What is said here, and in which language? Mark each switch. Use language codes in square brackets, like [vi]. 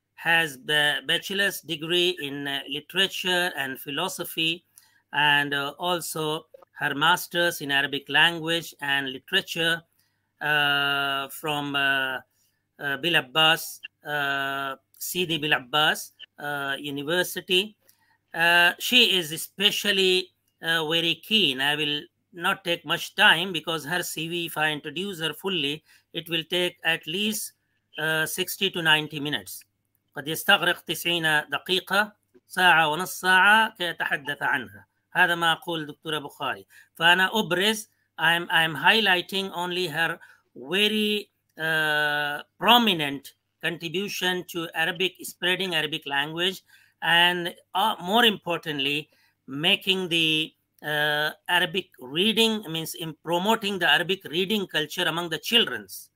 [en] has the bachelor's degree in literature and philosophy, and also her master's in Arabic language and literature from Bil Abbas, Sidi Bil Abbas University. She is especially very keen. I will not take much time because her CV, if I introduce her fully, it will take at least 60 to 90 minutes. [ar] قد يستغرق 90 دقيقة ساعة ونص ساعة كي أتحدث عنها. هذا ما أقول دكتورة بخاري. فأنا أبرز, [en] I'm highlighting only her very prominent contribution to Arabic, spreading Arabic language, and more importantly, making the Arabic reading, means in promoting the Arabic reading culture among the children.